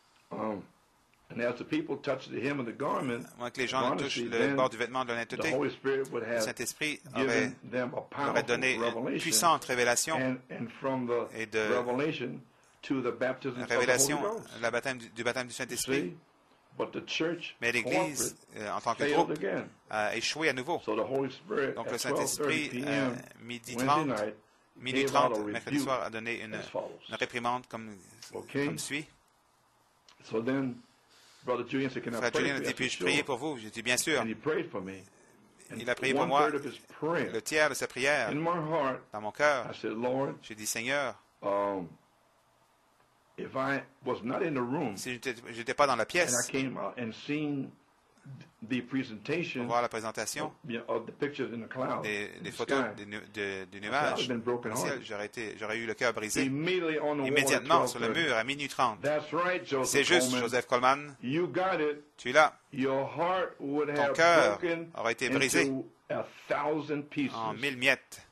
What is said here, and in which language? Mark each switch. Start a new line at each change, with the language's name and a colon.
English: And as the people touch the hem of the garment,
French: moi, que les gens touchent le bord du vêtement de l'honnêteté,
English: the Holy Spirit would have
French: le Saint-Esprit aurait donné une puissante révélation et de
English: revelation to the baptism
French: révélation
English: of the Holy Ghost.
French: du baptême du Saint-Esprit.
English: But the church,
French: mais l'Église, en tant que groupe, a échoué à nouveau.
English: So the Holy Spirit,
French: donc le Saint-Esprit, à minuit 30, mercredi soir, a donné une réprimande comme suit.
English: So then, Brother Julian said, Can I pray
French: Julian a dit, puis-je prier pour vous? J'ai dit, bien sûr.
English: And he prayed for me.
French: Il a prié pour moi. Le tiers de sa prière,
English: in my heart,
French: dans mon cœur,
English: I said, Lord,
French: j'ai dit, Seigneur,
English: if I was not in the room,
French: si je n'étais pas dans la pièce,
English: and I came out and seen the presentation,
French: voir la présentation
English: of the pictures in the cloud,
French: des photos du nuage, j'aurais eu le cœur brisé.
English: Immediately on the
French: immédiatement sur le mur à minuit 30.
English: That's right, Joseph.
French: C'est juste, Joseph Coleman.
English: You got it.
French: Tu es là.
English: Your heart would
French: ton cœur aurait été brisé en 1000 miettes.